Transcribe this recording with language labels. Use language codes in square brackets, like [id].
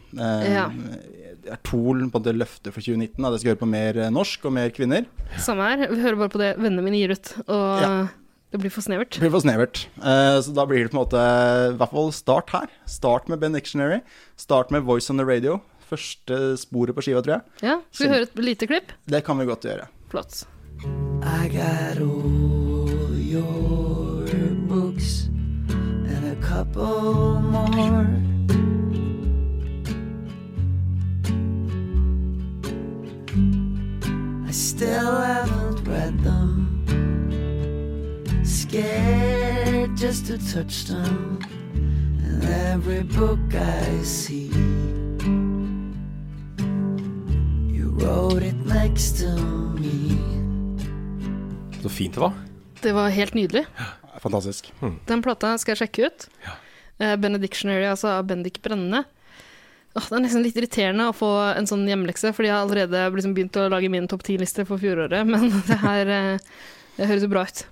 [no] Det er Tool på det løftet for 2019, at jeg skal høre på mer norsk og mer kvinner. Samme her, vi hører bare på det vennene mine gir ut, og det blir for snevert. Det blir for snevert. Så da blir det på en måte, i hvert fall start her. Start med Benedictionary, start med Voice on the Radio, første sporet på skiva, tror jeg. Ja, skal vi høre et lite klipp? Det kan vi godt gjøre. Flott. [en] I got all your books and a couple more. I still haven't read them. Scared just to touch them. And every book I see, you wrote it next to me. [no] Så fint det var. Det var helt nydelig. Ja, fantastisk. Den platta skal jeg sjekke ut. Ja. Benedictionary, altså Bendik Brenne. Åh, det er nesten litt irriterende å få en sånn hjemlekse, fordi jeg allerede liksom begynt å lage min topp 10-liste for fjoråret, men det her høres bra ut.